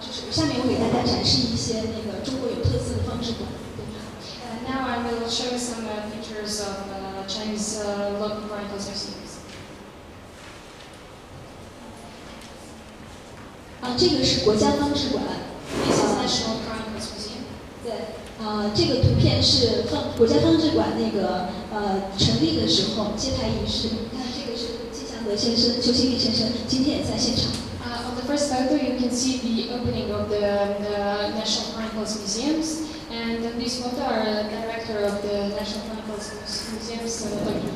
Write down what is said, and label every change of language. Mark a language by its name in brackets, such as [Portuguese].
[Chinese] 下面我给大家展示一些那个中国有特色的方志馆。 [English] Now I will show some pictures of Chinese local chronicles museums. [Chinese] 这个是国家方志馆。 [English] This is National Chronicles Museum. [Chinese] 对。这个图片是国家方志馆那个成立的时候揭牌仪式。你看，这个是季祥德先生、邱新玉先生今天也在现场。 [English] On the first photo, you can see the opening of the National Chronicles Museums, and on this photo, our director of the National Chronicles Museums, Dr.